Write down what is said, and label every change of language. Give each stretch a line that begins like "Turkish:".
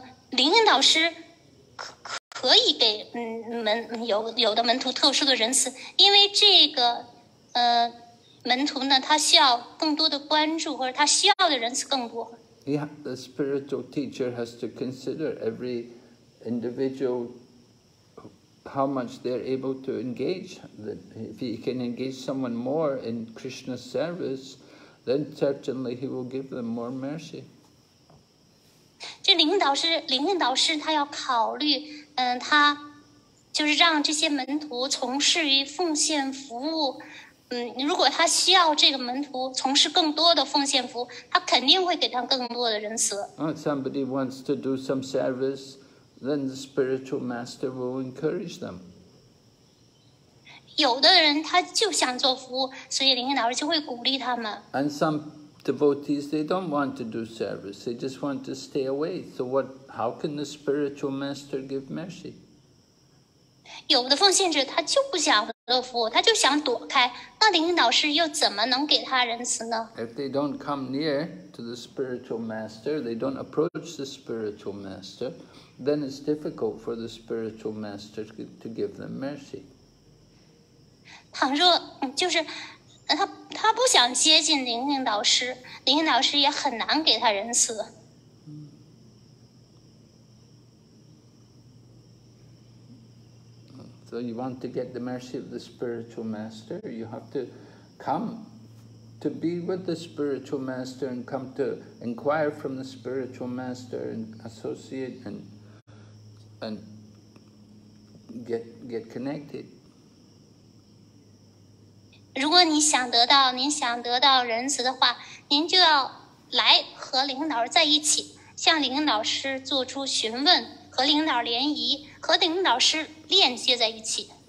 Chinese: 灵性导师可以给有的门徒特殊的仁慈，因为这个门徒呢，他需要更多的关注，或者他需要的仁慈更多。
English: Yeah, the spiritual teacher has to consider every individual how much they're able to engage. That if he can engage someone more in Krishna's service. Then certainly he will give them more mercy.
Chinese: 这灵性导师他要考虑，他就是让这些门徒从事于奉献服务，如果他需要这个门徒从事更多的奉献服务，他肯定会给他更多的仁慈。
English: Somebody wants to do some service, then the spiritual master will encourage them.
Chinese: 有的人他就想做服务，所以灵性导师就会鼓励他们。
English: And some devotees they don't want to do service, they just want to stay away. So what? How can the spiritual master give mercy?
Chinese: 有的奉献者他就不想做服务，他就想躲开。那灵性导师又怎么能给他仁慈呢
English: ？If they don't come near to the spiritual master, they don't approach the spiritual master, then it's difficult for the spiritual master to give them mercy.
Chinese: 倘若就是他不想接近灵性导师，灵性导师也很难给他仁慈。
English: So you want to get the mercy of the spiritual master, you have to come to be with the spiritual master and come to inquire from the spiritual master and associate and get connected.
Chinese: 如果你想得到您想得到仁慈的话，您就要来和领导在一起，向领导师做出询问，和领导联谊，和领导师连接在一起。